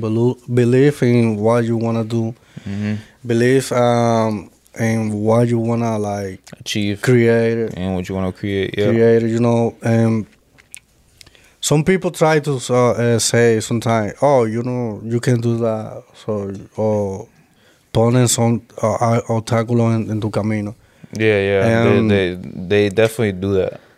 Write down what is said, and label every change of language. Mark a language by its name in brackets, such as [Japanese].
[English] Believe in what you want to do. Mm-hmm. Believe in what you want to like achieve. Create. And what you want to create. Yep. Create, you know. And some people try to say sometimes, oh, you know, you can do that. [Spanish] So, pon un obstáculo en tu camino. [English] Mm-hmm. Yeah, yeah. And they definitely do that.